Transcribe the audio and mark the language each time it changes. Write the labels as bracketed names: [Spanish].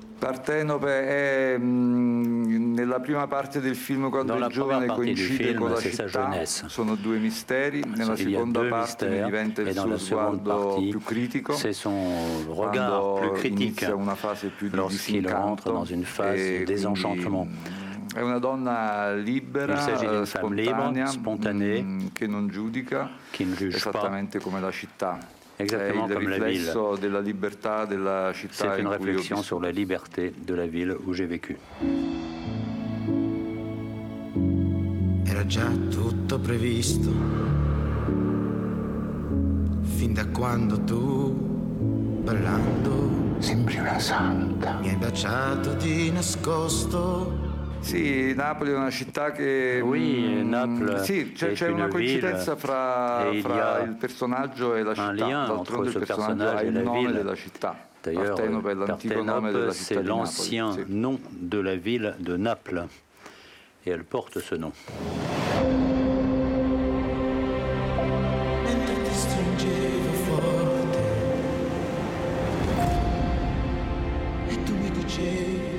[Italian] Partenope è nella prima parte del film quando il giovane coincide con la città. Sono due misteri. Nella seconda parte diventa il suo sguardo più critico. [French] C'est son regard plus critique. [Italian] Inizia una fase più di disincanto. [French] Dans une phase désenchantement. [Italian] È una donna libera, spontanea, che non giudica esattamente come la città. [French] Exactement comme la ville. De la [Italian] libertà della città. [French] C'est une réflexion sur la liberté de la ville où j'ai vécu. [Italian] Era già tutto previsto fin da quando tu ballando sembri una santa. Mi hai baciato di nascosto. Sì, Napoli è una città che... [French] Oui, Naples. [Italian] Sì, c'è una coincidenza fra il personaggio e la città. D'altronde il personaggio ha il nome della città. Partenope è l'antico nome della città di Napoli. [French] C'est l'ancien nom de la ville de Naples. Et elle porte ce nom. [Italian] Mentre ti stringevo forte e tu mi dicevi